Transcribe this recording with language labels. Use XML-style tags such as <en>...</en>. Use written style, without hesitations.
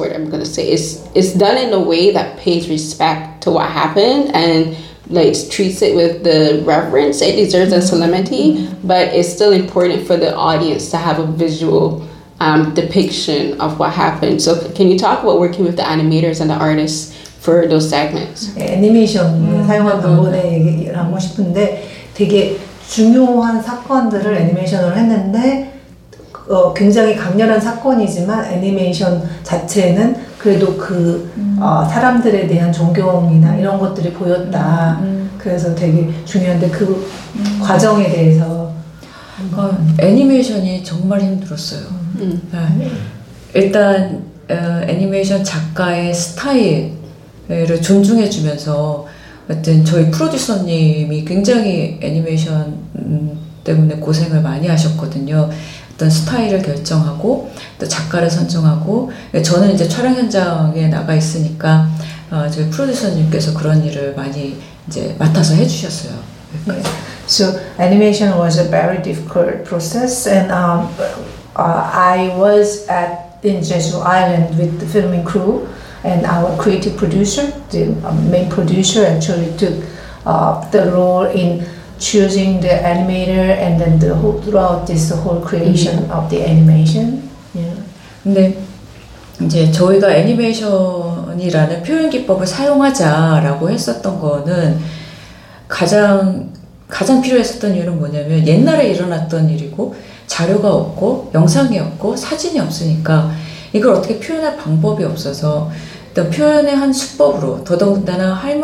<en>It's done in a way that pays respect to what happened and like treats it with the reverence it deserves and solemnity, but it's still important for the audience to have a visual depiction of what happened. So can you talk about working with the animators and the artists for those segments?</en> <ko>애니메이션을 사용한 방법에 얘기를 하고 싶은데 되게 중요한 사건들을 애니메이션으로 했는데 굉장히 강렬한 사건이지만 애니메이션 자체는 그래도 그 사람들에 대한 존경이나 이런 것들이 보였다. 그래서 되게 중요한데 그 과정에 대해서 애니메이션이 정말 힘들었어요. 일단 애니메이션 작가의 스타일 를 존중해 주면서 하여튼 저희 프로듀서님이 굉장히 애니메이션 때문에 고생을 많이 하셨거든요. 어떤 스타일을 결정하고 또 작가를 선정하고 저는 이제 촬영 현장에 나가 있으니까 저희 프로듀서님께서 그런 일을 많이 이제 맡아서 해 주셨어요.</ko> <en>So animation was a very difficult process and I was in Jeju Island with the filming crew. And our creative producer, the main producer, actually took the role in choosing the animator and then the whole, throughout this whole creation of the animation. Yeah.</en> <ko>근데 이제 저희가 애니메이션이라는 표현 기법을 사용하자라고 했었던 거는 가장 필요했었던 이유는 뭐냐면 옛날에 일어났던 일이고 자료가 없고 영상이 없고 사진이 없으니까 이걸 어떻게 표현할 방법이 없어서 또 표현의 한 수법으로 더더군다나</ko>